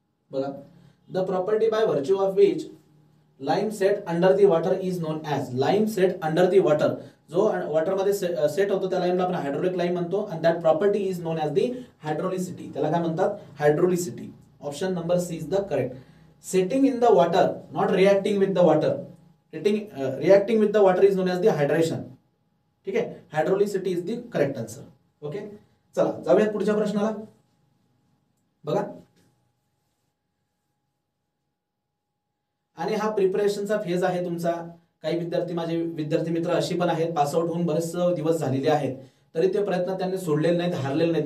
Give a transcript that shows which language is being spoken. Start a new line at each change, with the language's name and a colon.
English: बघा, the property by virtue of which lime set under the water is known as, lime set under the water,
Marathi: जो water मध्ये set होतो त्या लाईमला आपण hydraulic lime म्हणतो.
English: and that property is known as the hydraulicity,
Marathi: त्याला काय म्हणतात,
English: Hydraulicity. Option number C is the correct. Setting in the water, not reacting with the water, reacting with the water is known as the hydration.
Marathi: ठीक आहे,
English: Hydraulicity is the correct answer.
Marathi: Okay, चला जाऊया पुढच्या प्रश्नाला. बघा, आणि हा प्रिपरेशनचा फेज आहे तुमचा. काही विद्यार्थी, माझे विद्यार्थी मित्र अशी पण आहेत, पासआउट होऊन बरेच दिवस झालेले आहेत तरी ते प्रयत्न त्यांनी सोडलेले नाहीत, हारलेले नाहीत.